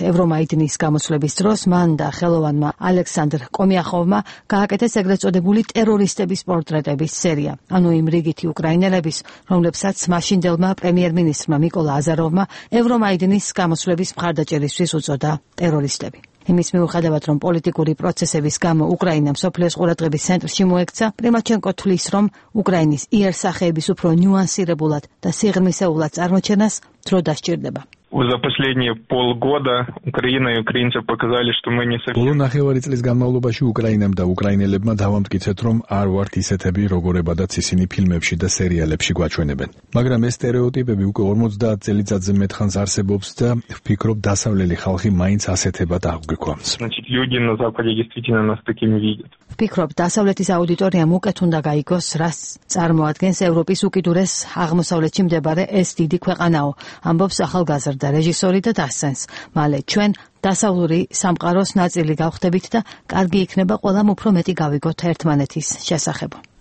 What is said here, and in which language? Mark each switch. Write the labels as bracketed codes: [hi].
[ka] ევრომაიდნის გამოსვლების დროს მან და ხელოვანმა ალექსანდრ კომიახოვმა გააკეთეს ეგრეთ წოდებული ტერორისტების პორტრეტების სერია, ანუ იმ რიგითი უკრაინელების, რომლებსაც მაშინდელმა პრემიერ-მინისტრმა ნიკოლა აზაროვმა ევრომაიდნის გამოსვლების მხარდაჭერისთვის უწოდა ტერორისტები. იმის მიუხედავად, რომ პოლიტიკური პროცესების გამო უკრაინა მსოფლიოს ყურადღების ცენტრში მოექცა, პრიმაჩენკო თვლის, რომ უკრაინის იერსახეების უფრო ნიუანსირებულად და სიღრმისეულად წარმოჩენას დრო დასჭირდება. [ru] За последние полгода Украина и украинцы показали, что мы не совсем. [ka] Полна хевари წლის განმავლობაში უკრაინამ და უკრაინელებმა დავამტკიცეთ, რომ არ ვართ ისეთები, როგორებადაც ისინი ფილმებში და სერიალებში გვაჩვენებენ. მაგრამ ეს стереოტიპები უკვე 50 წელიწადზე მეტხანს არსებობს და ვფიქრობ, დასავლელი ხალხი მაინც ასეთებად აღგვიქვამს. [ru] Значит, люди на западе действительно нас такими видят. [ka] ვფიქრობ, დასავლეთის აუდიტორიამ უკეთ უნდა გაიგოს, რას წარმოადგენს ევროპის უკიდურეს აღმოსავლეთში მდებარე ეს დიდი ქვეყანაო, ამბობს ახალგაზრდა რეჟისორი და დასცენს: მალე ჩვენ დასავლური სამყაროს ნაწილი გავხდებით და კარგი იქნება ყველამ უფრო მეტი გავიგოთ ერთმანეთის შესახებ.